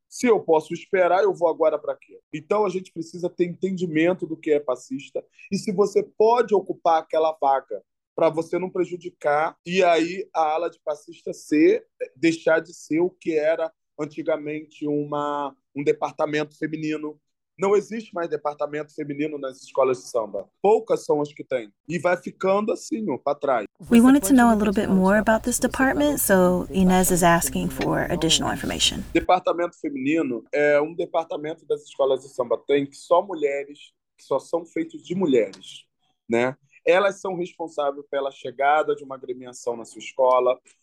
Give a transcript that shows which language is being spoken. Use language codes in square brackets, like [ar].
[pt] Se eu posso esperar, eu vou agora para quê? Então, a gente precisa ter entendimento do que é passista e se você pode ocupar aquela vaga, para você não prejudicar e aí a ala de passista deixar de ser o que era antigamente um departamento feminino. Não existe mais departamento feminino nas escolas de samba. Poucas são as que têm. E vai ficando assim, ó, para trás. [en] We wanted to know a little bit more about this department, so Inez is asking for additional information. [pt] Departamento feminino é um departamento das escolas de samba. Tem que só mulheres, que só são feitos de mulheres, né? Elas são responsáveis pela chegada de uma agremiação na sua escola.